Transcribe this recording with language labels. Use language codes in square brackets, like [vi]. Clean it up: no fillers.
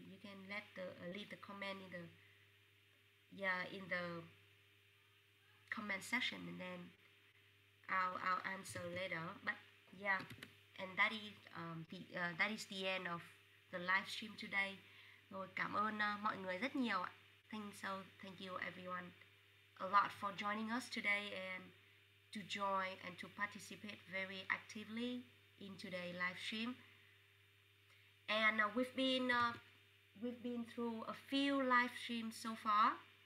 [en] You can leave the comment in the in the comment section, and then I'll answer later. But yeah, and that is the end of the live stream today. [vi] Rồi cảm ơn mọi người rất nhiều ạ. [en] Thank you everyone a lot for joining us today and to join and to participate very actively in today's live stream. And we've been through a few live streams so far.